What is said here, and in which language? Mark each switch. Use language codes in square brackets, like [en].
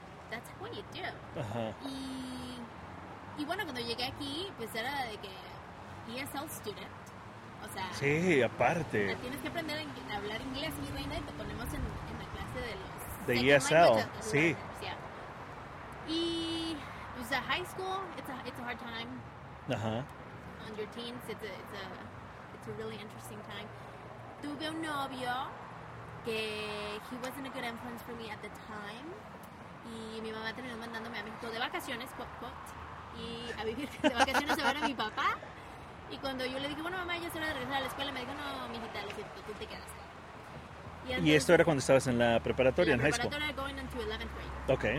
[en] That's what you do. Uh-huh. [es] Y bueno, cuando llegué aquí, pues era de que ESL student. O sea, sí, aparte. Tienes que aprender a hablar inglés, mi reina, y te ponemos en la clase de los. De ESL. Sí. Yeah. Y. [en] It was a high school, it's a hard time. Uh-huh. On your teens, it's a really interesting time. [es] Tuve un novio que. [en] He wasn't a good influence for me at the time. [es] Y mi mamá terminó mandándome a México de vacaciones, y a vivir de vacaciones a ver a mi papá. Y cuando yo le dije, bueno, mamá, ya es hora de regresar a la escuela, me dijo, no, mijita, lo siento, tú te quedas. Y esto era cuando estabas en la preparatoria, en high school. La preparatoria [en] going into 11th grade.